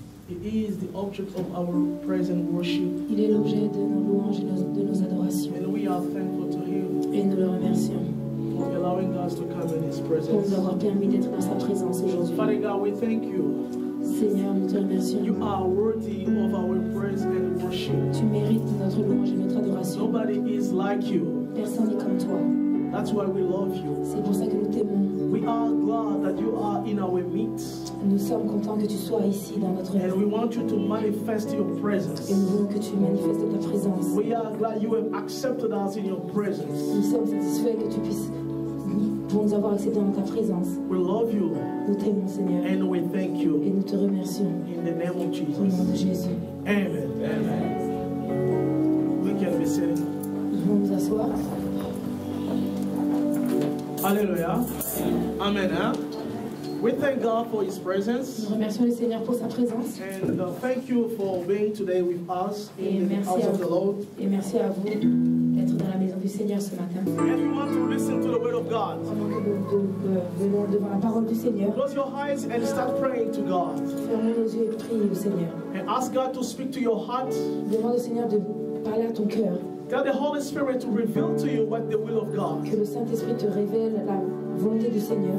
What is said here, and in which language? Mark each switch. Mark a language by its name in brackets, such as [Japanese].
[English] It is the object of our praise and worship. [French] Il est l'objet de nos louanges et de nos adorations. [English] And we are thankful to Him. [French] Et nous le remercions. [English] For allowing us to come in His presence. [French] Pour nous avoir permis d'être dans sa présence aujourd'hui. [English] Father God, we thank you. [French] Seigneur, nous te remercions. [English] You are worthy of our praise and worship. [French] Tu mérites notre louange et notre adoration. [English] Nobody is like you. [French] Personne n'est comme toi. [English] That's why we love you. [French] C'est pour ça que nous t'aimons. [English] We are glad that you are in our midst. [French] Nous sommes contents que tu sois ici dans notre vie. [English] And we want you to manifest your presence. [French] Et nous voulons que tu manifestes ta présence. [English] We are glad you have accepted us in your presence. [French] Nous sommes satisfaits que tu puisses nous avoir accepté dans ta présence. [English] We love you. [French] Nous t'aimons, Seigneur. [English] And we thank you. [French] Et nous te remercions. [English] In the name of Jesus. [French] Au nom de Jésus. [English] Amen. [French] Amen. [English] We can be seated. [French] Nous pouvons nous asseoir. [English] Alléluia. Amen. Hein? We thank God for His presence. [French] Nous remercions le Seigneur pour sa présence. [English] And thank you for being today with us in the house of the Lord. [French] Et merci à vous d'être dans la maison du Seigneur ce matin. [English] If you want to listen to the word of God, [French] venons devant la parole du Seigneur. [English] Close your eyes and start praying to God. [French] Fermez vos yeux et priez au Seigneur. [English] And ask God to speak to your heart. [French] Demande au Seigneur de parler à ton cœur. [English] Tell the Holy Spirit to reveal to you what the will of God. [French] Que le Saint-Esprit te révèle la volonté du Seigneur.